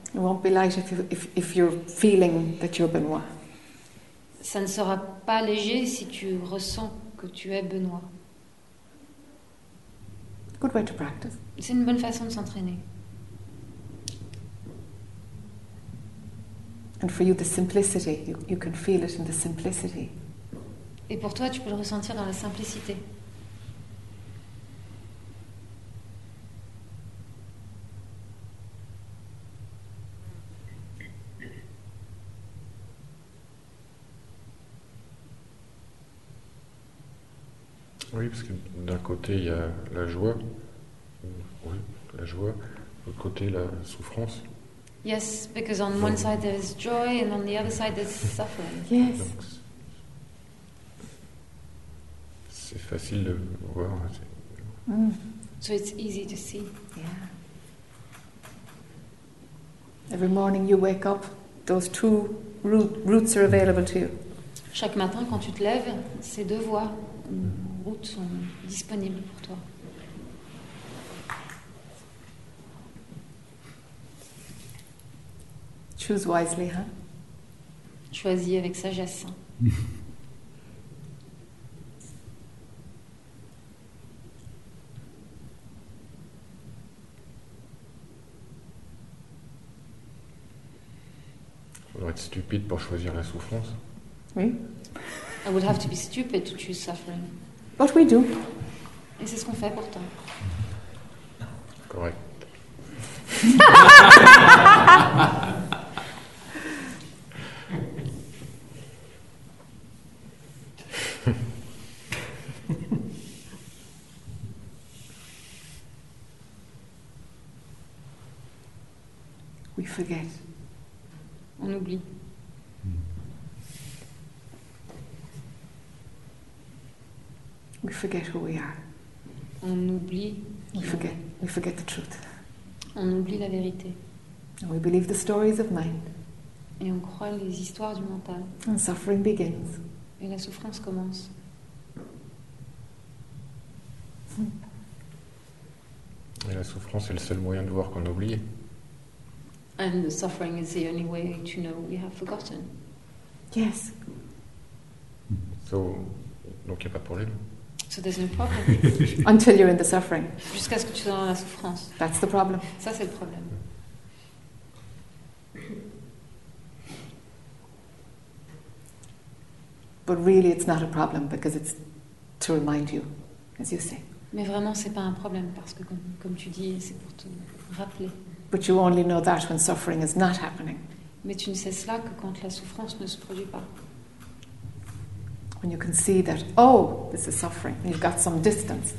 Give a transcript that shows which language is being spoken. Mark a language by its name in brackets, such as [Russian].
[English] It won't be light if you're feeling that you're Benoît. [French] Ça ne sera pas léger si tu ressens que tu es Benoît. [English] Good way to practice. [French] C'est une bonne façon de s'entraîner. [English] And for you, the simplicity, you can feel it in the simplicity. [French] Et pour toi, tu peux le ressentir dans la simplicité. Oui, parce que d'un côté, il y a la joie. Oui, la joie. L'autre côté, la souffrance. [English] Yes, because on one side there is joy and on the other side there is suffering. Yes. [French] C'est facile de voir. Mm. [English] So it's easy to see. Yeah. Every morning you wake up, those two routes are available to you. [French] Chaque matin quand tu te lèves, ces deux voies, routes sont disponibles pour toi. [English] Choose wisely, huh? [French] Choisis avec sagesse. On doit être stupide pour choisir la souffrance. Oui. [English] I would have to be stupid to choose suffering. But we do. [French] Et c'est ce qu'on fait pourtant. [English] Correct. We forget. [French] On oublie. [English] We forget who we are. [French] On oublie. [English] We forget the truth. [French] On oublie la vérité. [English] And we believe the stories of mind. [French] Et on croit les histoires du mental. [English] And suffering begins. [French] Et la souffrance commence. Et la souffrance est le seul moyen de voir qu'on a oublié. [English] And the suffering is the only way to know we have forgotten. Yes. [French] So, donc il n'y a pas de problème. [English] So there's no problem. Until you're in the suffering. [French] Jusqu'à ce que tu sois dans la souffrance. [English] That's the problem. [French] Ça, c'est le problème. [English] But really, it's not a problem because it's to remind you, as you say. [French] Mais vraiment, c'est pas un problème parce que, comme tu dis, c'est pour te rappeler. [English] But you only know that when suffering is not happening. [French] Mais tu ne sais cela que quand la souffrance ne se produit pas. [English] When you can see that, oh, this is suffering, you've got some distance.